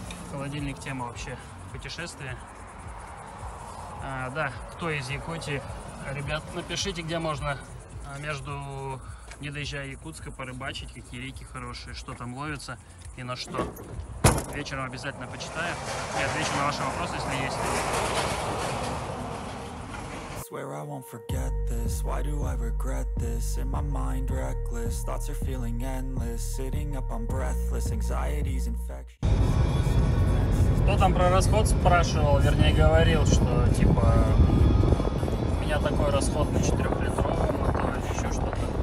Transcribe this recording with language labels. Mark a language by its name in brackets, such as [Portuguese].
[Russian] Холодильник — тема вообще путешествия. Да, кто из Якутии, ребят, напишите, где можно между, не доезжая Якутска, порыбачить, какие реки хорошие, что там ловится и на что. Вечером обязательно почитаю и отвечу на ваши вопросы, если есть. [English] Where I won't forget this, why do I regret this? In my mind reckless, thoughts are feeling endless. Sitting up, I'm breathless, anxiety's infectious. [Russian] Кто там про расход спрашивал, вернее говорил, что типа у меня такой расход на 4-литровом, а то еще что-то.